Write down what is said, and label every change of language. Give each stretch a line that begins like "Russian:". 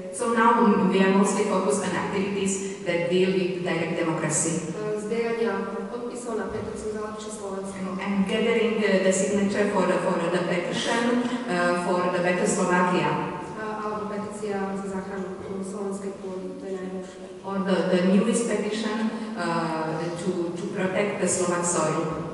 English: So now we are mostly focused on activities that deal with direct democracy.
Slovak: Zbierania podpisov na petíciu za lepšie Slovensko.
English: And gathering the signature for the petition for the better Slovakia.
Slovak: Alebo petícia za záchranu slovenskej pôdy, to je najhoršie.
English: Or the newest petition to protect the Slovak soil.